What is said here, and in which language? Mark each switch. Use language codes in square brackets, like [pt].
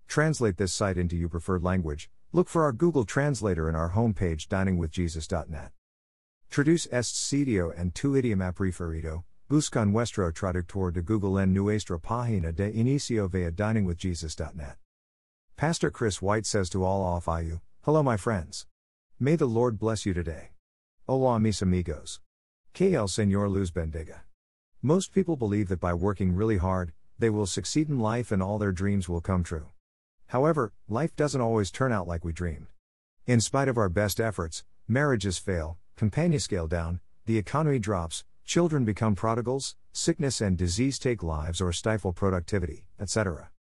[en] Translate this site into your preferred language. Look for our Google Translator in our homepage diningwithjesus.net. [es] Traduce este sitio en tu idioma preferido. Busca nuestro traductor de Google en nuestra página de inicio via diningwithjesus.net. [en] Pastor Chris White says to all of you, hello my friends. May the Lord bless you today. [es] Hola mis amigos. Que el Señor los bendiga. [en] Most people believe that by working really hard, they will succeed in life and all their dreams will come true. However, life doesn't always turn out like we dreamed. In spite of our best efforts, marriages fail, companions scale down, the economy drops, children become prodigals, sickness and disease take lives or stifle productivity, etc.